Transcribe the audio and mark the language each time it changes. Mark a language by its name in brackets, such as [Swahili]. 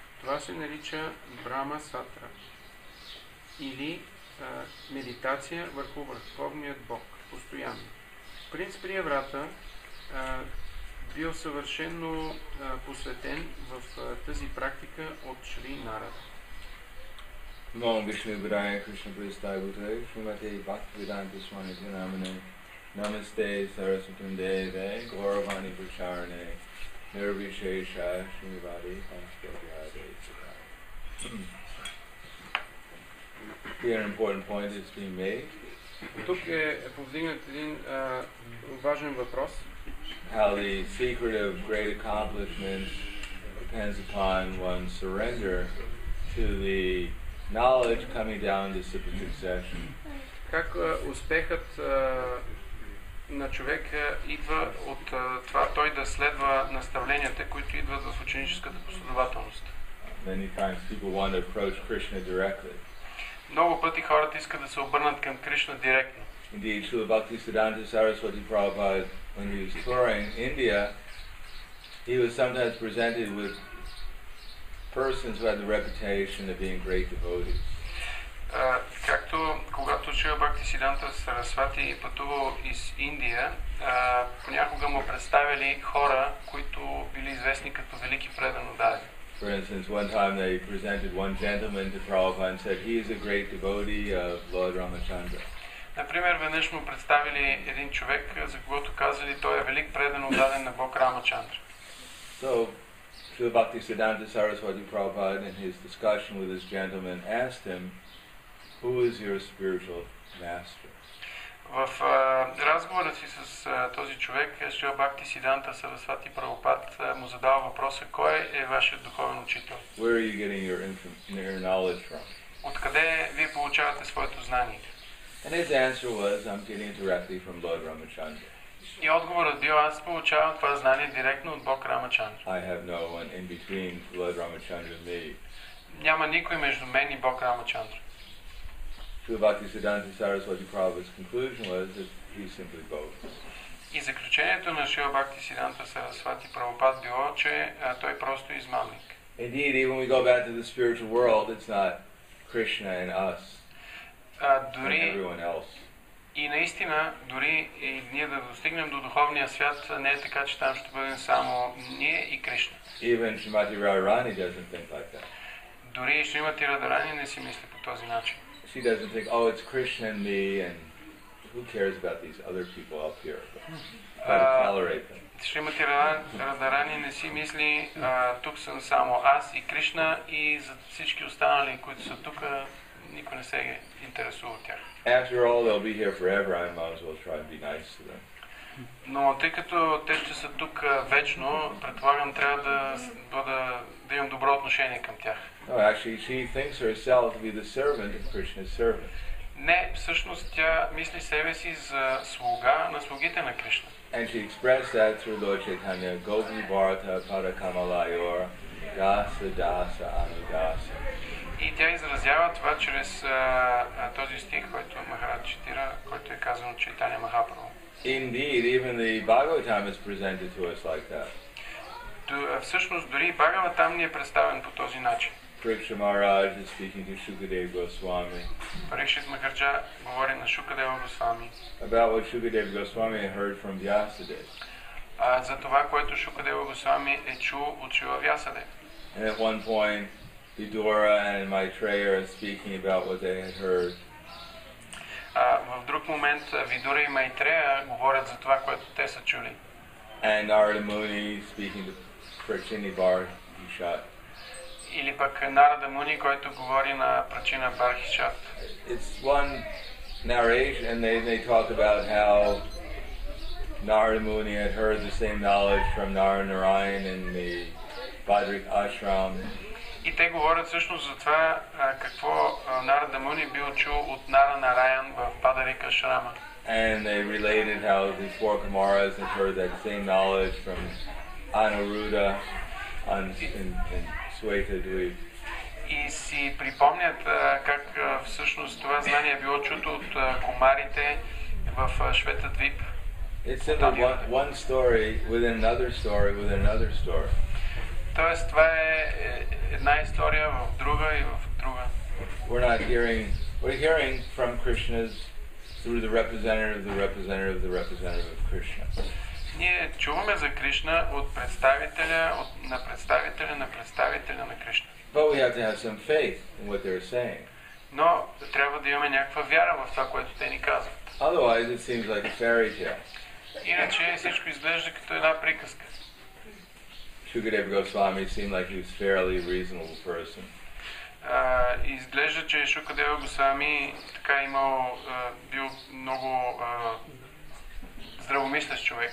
[Bulgarian] Това се нарича Брама Сатра или медитация върху върховният Бог постоянно. Принц Прия врата бил съвършено посветен в тази практика от Шри Нарада. [Sanskrit] Ном Вишну Гурая Кришна Пристай Гутрай Шримати Бхактивидан Бисвани Динамане Намасте Сарасватим Деве Гауравани Пручаране Нирвишеша Шримивади Панчатабхьяя Деви Сукхая. [English] Here an important point is being made. [Bulgarian] Тук е повдигнат един важен въпрос. [English] How the secret of great accomplishment depends upon one's surrender to the knowledge coming down to simple succession. [Bulgarian] Как успехът на човека идва от това той да следва наставленията, които идват в ученическата последователност. [English] Many times people want to approach Krishna directly. [Bulgarian] Много пъти хората искат да се обърнат към Кришна директно. [English] Indeed, Srila Bhakti Siddhanta Saraswati Prabhupada, when he was touring India, he was sometimes presented with persons who had the reputation of being great devotees. [Bulgarian] Както когато Шрила Бхакти Сиданта Сарасвати пътувал из Индия, понякога му представили хора, които били известни като велики преданодари. [English] For instance, one time they presented one gentleman to Prabhupada and said, he is a great devotee of Lord Ramachandra. [Bulgarian] Например, веднъж му представили един човек, за когото казали, той е велик преданодарен на Бог Рамачандра. [English] So, Шрила Бхакти Сиданта Сарасвати Прабхупада in his discussion with this gentleman asked him, who is your spiritual master? [Bulgarian] В разговора си с този човек, Шрила Бхакти Сиданта Сарасвати Прабхупад му задава въпроса, кой е вашият духовен учител? [English] Where are you getting your knowledge from? [Bulgarian] Откъде вие получавате своето знание? [English] And his answer was, I'm getting it directly from Lord Ramachandra. [Bulgarian] И отговорът бил, аз получавам това знание директно от Бог Рамачандра. [English] I have no one in between Lord Ramachandra and me. [Bulgarian] Няма никой между мен и Бог Рамачандра. [English] Srila Bhakti Siddhanta Saraswati Prabhupada's conclusion was that he's simply both. [Bulgarian] И заключението на Шрила Бхакти Сиданта Сарасвати Прабхупад било, че той просто измамник. [English] Indeed, even when we go back to the spiritual world, it's not Krishna and us. [Bulgarian] Дори [English] everyone else. [Bulgarian] И наистина, дори и ние да достигнем до духовния свят, не е така, че там ще бъдем само ние и Кришна. [English] Even Srimati Radharani doesn't think like that. [Bulgarian] Дори и Шримати Радарани не си мисли по този начин. [English] She doesn't think, oh, it's Krishna and me, and who cares about these other people up here? But how to tolerate them. [Bulgarian] Шримати Радарани не си мисли, тук съм само аз и Кришна и за всички останали, които са тук, никой не се интересува от тях. [English] After all, they'll be here forever. I might as well try and be nice to them. [Bulgarian] Но тъй като те ще са тук вечно, предполагам трябва да бъда да имам добро отношение към тях. [English] No, actually, she thinks herself to be the servant of Krishna's servant. [Bulgarian] Не, всъщност тя мисли себе си за слуга на слугите на Кришна. [English] And she expressed that through Lord Chaitanya, [Sanskrit] Gopi Bharata Parakamalayor, Dasa Dasa Anudasa. [Bulgarian] И тя изразява това чрез този стих, който Махарад читира, който е казан от Чайтанья Махапрабху. [English] Indeed, even the Bhagavatam is presented to us like that. [Bulgarian] Всъщност, дори и Бхагаватам ни е представен по този начин. [English] Parikshit Maharaj is speaking to Shukadeva Goswami. [Bulgarian] Parikshit Maharaja говори на Шукадева Госвами. [English] About what Shukadeva Goswami heard from Vyasadev. [Bulgarian] За това, което Шукадева Госвами е чул от Шрила Вясадев. [English] And at one point, Vidura and Maitreya are speaking about what they had heard. [Bulgarian] В друг момент Vidura и Maitreya говорят за това, което те са чули. [English] And Narada Muni speaking to Prachini Barhishat. [Bulgarian] Или пък Narada Muni, който говори на Prachina Barhishat. [English] It's one narration and they talk about how Narada Muni had heard the same knowledge from Narada Narayan in the Bhadrik Ashram. [Bulgarian] И те говорят всъщност за това какво Narada Muni бил чул от Narada Narayan в Бадарика Шрама. [English] And they related how the four Kumaras had heard that same knowledge from Anuruddha and Swetha Dweep. [Bulgarian] И си припомнят как всъщност това знание било чуто от комарите в Швета Двип. [English] It's simply one story within another story within another story. [Bulgarian] Тоест, това е една история в друга и в друга. [English] We're hearing from Krishna's through the representative of the representative of the representative of Krishna. [Bulgarian] Ние чуваме за Кришна от представителя на представителя на представителя на Кришна. [English] But we have to have some faith in what they're saying. [Bulgarian] Но трябва да имаме някаква вяра в това, което те ни казват. [English] Otherwise it seems like a fairy tale. [Bulgarian] Иначе всичко изглежда като една приказка. [English] Shukadev Goswami seemed like he was a fairly reasonable person. [Bulgarian] Изглежда, че Шукадева Госвами така имал бил много здравомислящ човек.